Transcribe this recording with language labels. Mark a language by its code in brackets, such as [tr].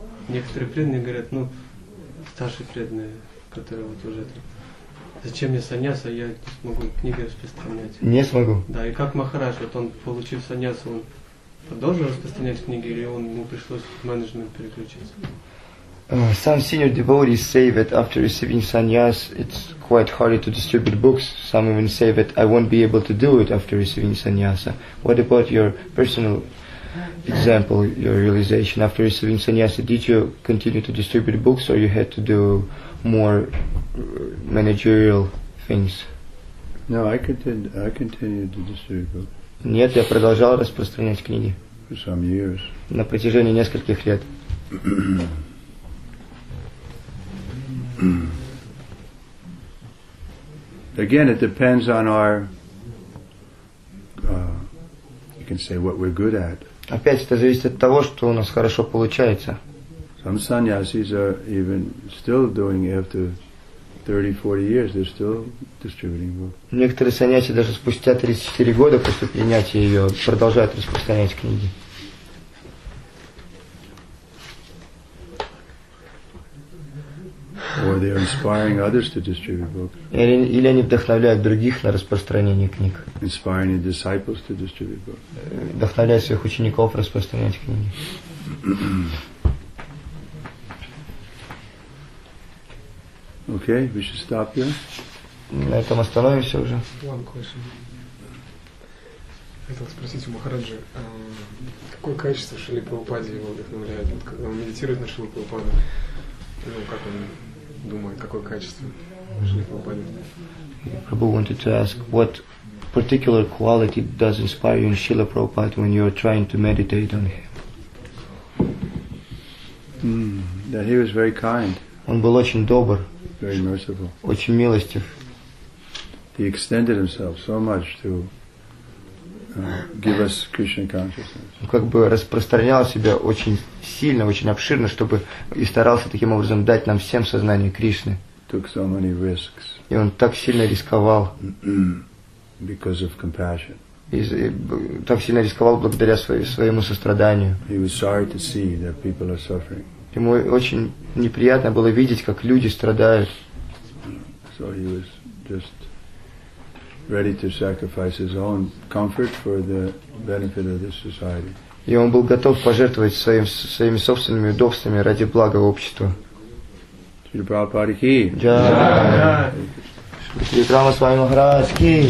[ru] Некоторые преданные говорят, ну, старшие преданные, которые вот уже там, зачем мне саньяса, я не смогу книги распространять. Не смогу. Да, и как Махарадж, вот он, получив саньясу, он продолжил распространять книги, или ему пришлось в менеджмент переключиться? [en] Some senior devotees say that after receiving sannyas, it's quite hard to distribute books. Some even say that I won't be able to do it after receiving sannyasa. What about your personal example, your realization after receiving sannyasa, did you continue to distribute books or you had to do more managerial things? No, I continued to distribute books. [ru] Нет, я продолжал распространять книги. [en] For some years. [ru] На протяжении нескольких лет. [en] Again, it depends on our, you can say, what we're good at. [ru] Опять, это зависит от того, что у нас хорошо получается. [en] Some sannyasis are even still doing after 30-40 years, they're still distributing books. [ru] Некоторые саньяси даже спустя 34 года после принятия ее продолжают распространять книги. [en] Or they're inspiring others to distribute books. [ru] Или они вдохновляют других на распространение книг. [en] Inspiring the disciples to distribute books. [ru] Вдохновляют своих учеников распространять книги. [en] Okay, we should stop here. [ru] На этом остановимся уже. Хотел спросить у Махараджи, какое качество Шрилы Прабхупады его вдохновляет? Вот, когда он медитирует на Шрилу Прабхупаду, ну, как он думает, какое качество Шрилы Прабхупады? [en] Prabhu wanted to ask, what particular quality does inspire you in Srila Prabhupada when you are trying to meditate on him? That he was very kind. [ru] Он был очень добр. [en] Very merciful. [ru] Очень милостив. [en] He extended himself so much to give us Krishna consciousness. [ru] Он как бы распространял себя очень сильно, очень обширно, чтобы и старался таким образом дать нам всем сознание Кришны. [en] Took so many risks. [ru] И он так сильно рисковал. [en] Because of compassion. [ru] Так сильно рисковал благодаря своему состраданию. [en] He was sorry to see that people are suffering. [ru] Ему очень неприятно было видеть, как люди страдают. [en] So he was just ready to sacrifice his own comfort for the benefit of this society. [ru] И он был готов пожертвовать своими собственными удобствами ради блага общества. Шри Прабхупада ки. Джай. Шри Рама с вами Махарадж ки.